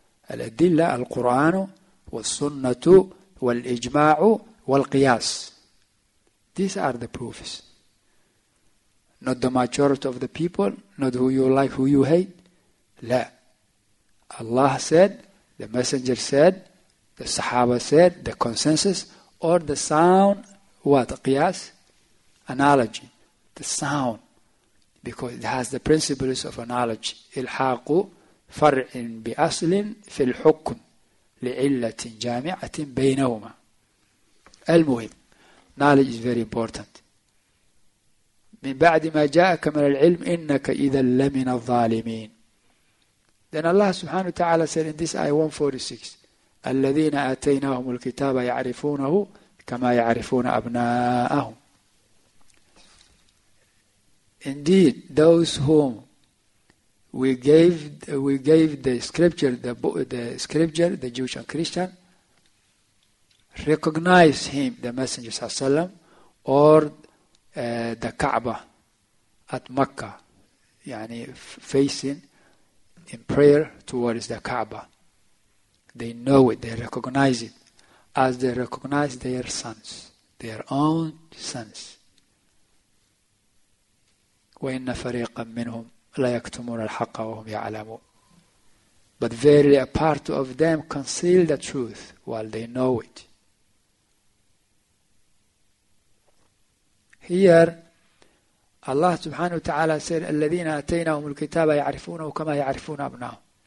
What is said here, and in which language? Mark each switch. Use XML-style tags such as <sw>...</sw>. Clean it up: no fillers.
<ar>الأدلة, القرآن والسنة والإجماع والقياس.</ar> <en>These are the proofs. Not the majority of the people, not who you like, who you hate. La. Allah said, the messenger said, the Sahaba said, the consensus, or the sound, what? Qiyas? Analogy. The sound. Because it has the principles of analogy.</en> <ar>إلحاق فرع بأصل في الحكم لعلة جامعة بينهما.</ar> <en>المهم, knowledge is very important.</en> <ar>من بعد ما جاءك من العلم إنك إذا لمن الظالمين.</ar> <en>Then Allah</en> <ar>سبحانه وتعالى</ar> <en>said in this ayah 146,</en> <ar>الذين آتيناهم الكتاب يعرفونه كما يعرفون أبناءهم.</ar> <en>Indeed, those whom we gave the scripture, the Jewish and Christian, recognize him, the Messenger sallallahu alaihi wasallam, or the Kaaba at Mecca, يعني facing in prayer towards the Kaaba. They know it, they recognize it, as they recognize their sons, their own sons.</en> <ar>وإن فريقا منهم لا يكتمون الحق وهم يعلمون.</ar> <en>But verily a part of them conceal the truth while they know it. Here, Allah subhanahu wa ta'ala said,</en> <ar>الَّذِينَ أَتَيْنَاهُمُ الْكِتَابَ يَعْرِفُونَهُ كَمَا يَعْرِفُونَ أَبْنَاهُ.</ar>